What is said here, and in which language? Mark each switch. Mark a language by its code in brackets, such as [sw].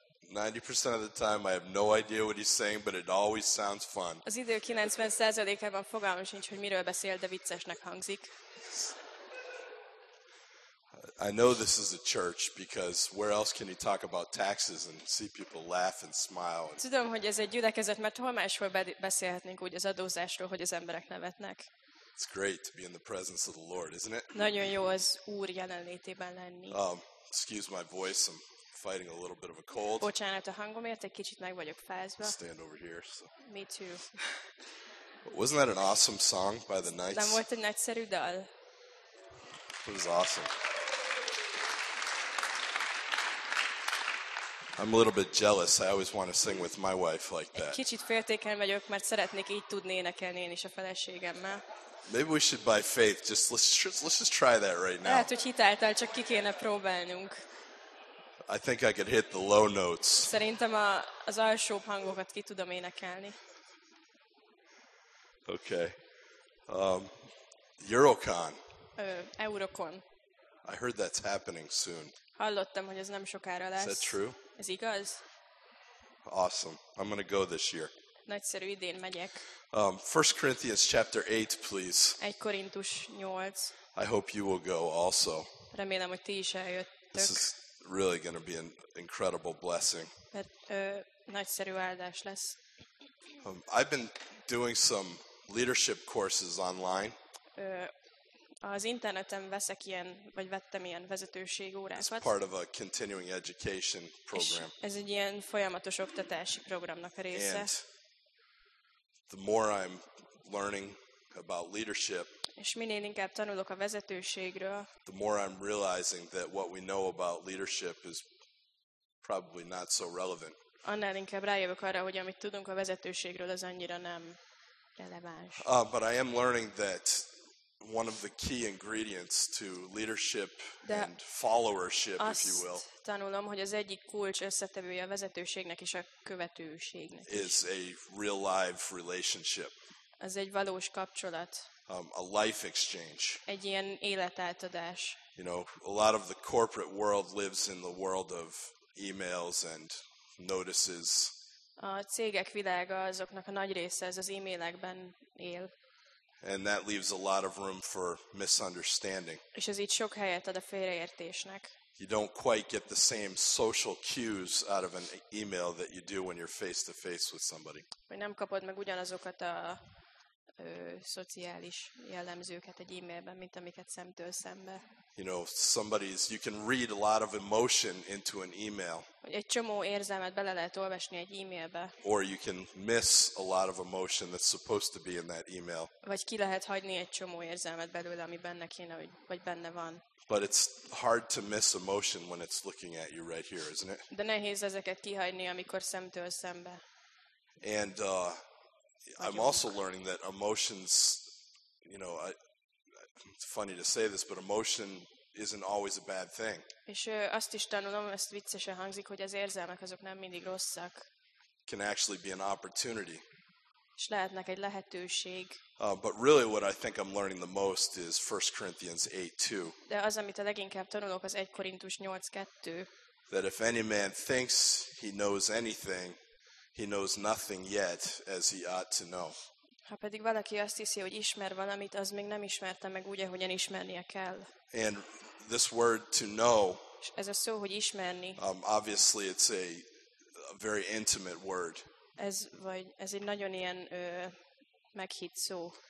[en] 90% of the time I have no idea what he's saying, but it always sounds fun. [hu] Az idő 90%-ában fogalmam sincs, hogy miről beszél, de viccesnek hangzik. [en] I know this is a church because where else can you talk about taxes and see people laugh and smile? [hu] Tudom, hogy ez egy gyülekezet, mert hol máshol beszélhetnénk úgy az adózásról, hogy az emberek nevetnek. [en] It's great to be in the presence of the Lord, isn't it? [hu] Nagyon jó az Úr jelenlétében lenni. [en] Excuse my voice, I'm fighting a little bit of a cold. [hu] Bocsánat a hangomért, egy kicsit meg vagyok fázva. [en] Stand over here. So. Me too. Wasn't that an awesome song by the Knights? [hu] Nem volt egy nagyszerű dal? [en] It was awesome. I'm a little bit jealous. I always want to sing with my wife like that. [hu] Egy kicsit féltékeny vagyok, mert szeretnék így tudni énekelni én is a feleségemmel. [en] Maybe we should by faith just let's just try that right now. [hu] Lehet, hogy hitáltal csak ki kéne próbálnunk. [en] I think I could hit the low notes. [hu] Szerintem az alsóbb hangokat ki tudom énekelni. [en] Okay. Eurocon. [hu] Eurocon. [en] I heard that's happening soon. [hu] Hallottam, hogy ez nem sokára lesz. [en] Is that true? [hu] Ez igaz? [en] Awesome. I'm going to go this year. [hu] Nagyszerű, idén megyek. [en] 1 Corinthians chapter 8, please. [hu] 1 Korintus 8. [en] I hope you will go also. [hu] Remélem, hogy ti is eljöttök. [en] This is really going to be an incredible blessing. [hu] Mert nagyszerű áldás lesz. [en] I've been doing some leadership courses online. [hu] Az interneten veszek ilyen, vagy vettem ilyen vezetőség órákat. [en] It's part of a continuing education program. [hu] Ez egy ilyen folyamatos oktatási programnak a része. [en] And the more I'm learning about leadership, [hu] és minél inkább tanulok a vezetőségről, [en] the more I'm realizing that what we know about leadership is probably not so relevant. [hu] Annál inkább rájövök arra, hogy amit tudunk a vezetőségről, az annyira nem releváns. [en] But I am learning that one of the key ingredients to leadership [hu] de [en] and followership, if you will, [hu] tanulom, hogy az egyik kulcs összetevője a vezetőségnek és a követőségnek [en] is a real live relationship. [hu] Az egy valós kapcsolat. [en] A life exchange. [hu] Egy ilyen életátadás. [en] You know, a lot of the corporate world lives in the world of emails and notices. [hu] A cégek világa azoknak a nagy része ez az e-mailekben él. [en] And that leaves a lot of room for misunderstanding. [hu] És ez így sok helyet ad a félreértésnek. [en] You don't quite get the same social cues out of an email that you do when you're face to face with somebody. [hu] Vagy nem kapod meg ugyanazokat a szociális jellemzőket egy e-mailben, mint amiket szemtől szembe. [en] You know, somebody's, you can read a lot of emotion into an email. [hu] Egy csomó érzelmet bele lehet olvasni egy e-mailbe. [en] Or you can miss a lot of emotion that's supposed to be in that email. [hu] Vagy ki lehet hagyni egy csomó érzelmet belőle, ami benne kéne, vagy benne van. [en] But it's hard to miss emotion when it's looking at you right here, isn't it? [hu] De nehéz ezeket kihagyni, amikor szemtől szembe. [en] And I'm also learning that emotions, you know, it's funny to say this, but emotion isn't always a bad thing. [hu] És azt is tanulom, ezt viccesen hangzik, hogy az érzelmek azok nem mindig rosszak. [en] Can actually be an opportunity. [hu] És lehetnek egy lehetőség. [en] But really what I think I'm learning the most is 1 Corinthians 8:2. [hu] De az, amit a leginkább tanulok, az 1 Korintus 8:2. [en] That if any man thinks he knows anything, he knows nothing yet as he ought to know. [hu] Ha pedig valaki azt hiszi, hogy ismer valamit, az még nem ismerte meg úgy, ahogyan ismernie kell. [en] And this word to know. [hu] Ez a szó, hogy ismerni. [en] Obviously it's a very intimate word. [hu] Ez egy nagyon ilyen meghitt szó.